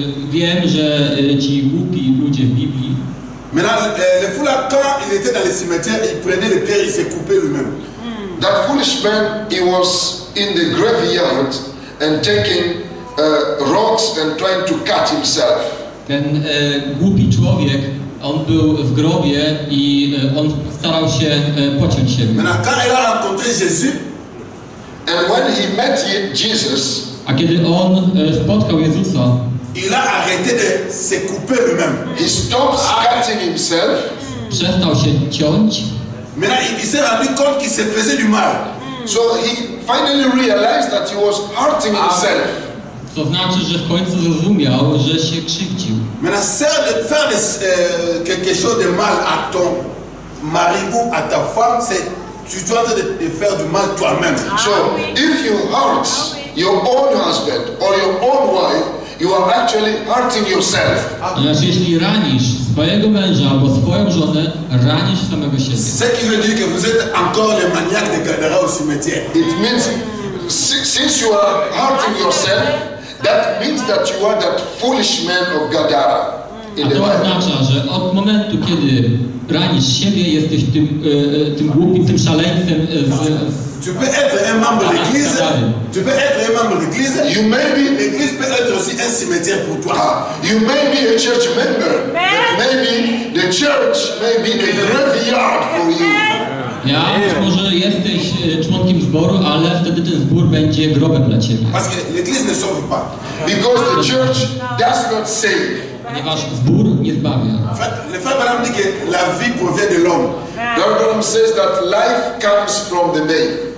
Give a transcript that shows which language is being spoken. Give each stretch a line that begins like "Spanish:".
Polish: Wiem, że ci głupi ludzie w Biblii.
French: Le fou là, quand il était dans le cimetière, il prenait le pierre, il s'est coupé lui-même.
English: That foolish man, he was in the graveyard and taking rocks and trying to cut himself.
Polish: Ten głupi człowiek, on był w grobie i on starał się pociąć siebie.
French: Maintenant, quand il a rencontré Jésus,
English: and when he met Jesus,
Polish: a kiedy on spotkał Jezusa,
French: il a arrêté de se couper lui-même.
English: He stops cutting himself.
Polish: Przestał się ciąć.
French: Maintenant, il s'est rendu compte qu'il se faisait du mal.
English: So he finally realized that he was hurting himself.
Polish: To znaczy, że w końcu zrozumiał, że się krzywdził.
French: Maintenant, sert de faire quelque chose de mal à ton mari ou à ta femme, c'est tu dois de faire du mal toi-même.
English: So if you hurt your own husband or your own wife, you are actually hurting yourself.
Polish: Jeśli ranisz swojego męża albo swoją żonę, ranisz samego siebie.
French: Ce qui veut dire que vous êtes encore le maniaque de Gadara au cimetière.
English: It means since you are hurting yourself, that means that you are that foolish man of Gadara.
Polish: A to oznacza, że od momentu, kiedy ranisz siebie, jesteś tym głupim, tym szaleńcem z.
French: Tu peux être un membre de l'église. Tu peux être un membre de l'église.
English: You may be.
French: L'église peut être aussi un cimetière pour toi.
English: You may be a church member. Maybe the church may be the graveyard for you.
Polish: Ja, może jesteś członkiem zboru, ale wtedy ten zbór będzie grobem dla ciebie.
French: Parce que l'église ne sauve pas.
English: Because the church does not save.
Polish: Ponieważ zbór nie zbawia.
French: Le frère Branham dit que la vie provient de l'homme.
English: Lord Branham says that life comes from the May.